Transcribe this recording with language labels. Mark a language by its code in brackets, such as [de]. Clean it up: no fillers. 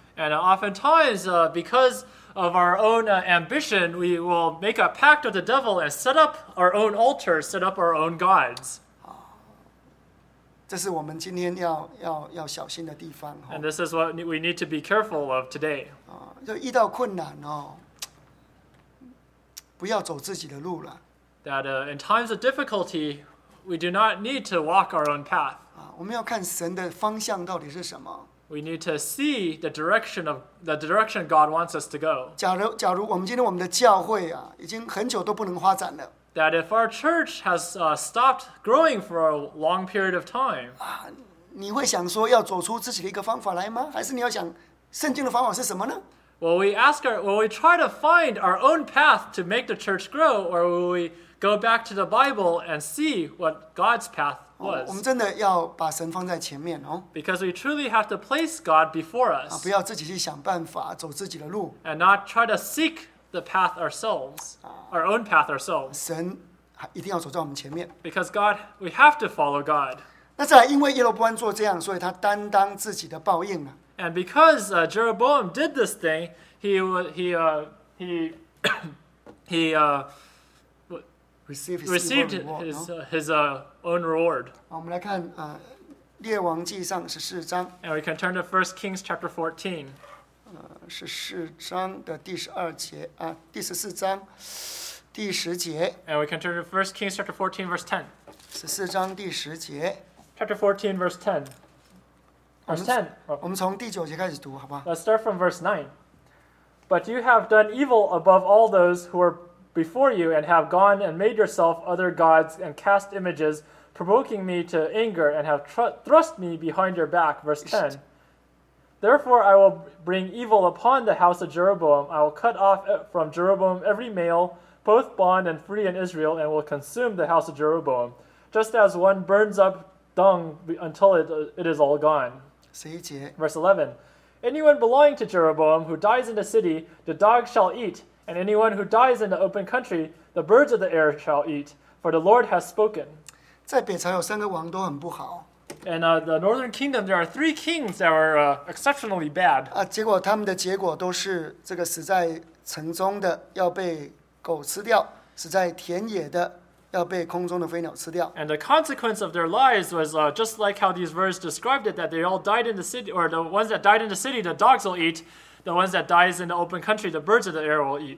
[en] And oftentimes, because of our own ambition, we will make a pact with the devil and set up our own altar, set up our own gods. [zh] 这是我们今天要小心的地方。 [en] And this is what we need to be careful of today. [zh] 就遇到困难哦，不要走自己的路了。 [en] That in times of difficulty, we do not need to walk our own path. [zh] 我们要看神的方向到底是什么。 [en] We need to see the direction God wants us to go. [zh] 假如我们今天我们的教会啊，已经很久都不能发展了。 [en] That if our church has stopped growing for a long period of time, [zh] 你会想说要走出自己的一个方法来吗？还是你要想圣经的方法是什么呢？ [en] Will we try to find our own path to make the church grow, or will we go back to the Bible and see what God's path was? [zh] 我们真的要把神放在前面哦。 [en] Because we truly have to place God before us. [zh] 不要自己去想办法走自己的路。 [en] And not try to seek the path ourselves, our own path ourselves. [zh] 神一定要走在我们前面。 [en] Because God, we have to follow God. [zh] 那再来，因为耶罗波安做这样，所以他担当自己的报应了。 [en] And because Jeroboam did this thing, he received his own reward. [zh] 我们来看列王记上十四章。 [en] And we can turn to 1 Kings chapter 14. [zh] 十四章的第十二节啊，第十四章第十节。 [en] And we can turn to 1 Kings chapter 14 verse 10. [zh] 十四章第十节。 [en] Chapter 14 verse 10. [zh] 我们从第九节开始读，好吧。 [en] Let's start from verse 9. But you have done evil above all those who were before you, and have gone and made yourself other gods and cast images, provoking me to anger, and have thrust me behind your back. Verse 10. Therefore, I will bring evil upon the house of Jeroboam. I will cut off from Jeroboam every male, both bond and free in Israel, and will consume the house of Jeroboam, just as one burns up dung until it is all gone. Verse 11. Anyone belonging to Jeroboam who dies in the city, the dog shall eat, and anyone who dies in the open country, the birds of the air shall eat, for the Lord has spoken. And the northern kingdom, there are three kings that were exceptionally bad. [zh] 结果他们的结果都是这个死在城中的要被狗吃掉，死在田野的要被空中的飞鸟吃掉。 [en] And the consequence of their lives was just like how these verses described it, that they all died in the city, or the ones that died in the city, the dogs will eat. The ones that die in the open country, the birds of the air will eat.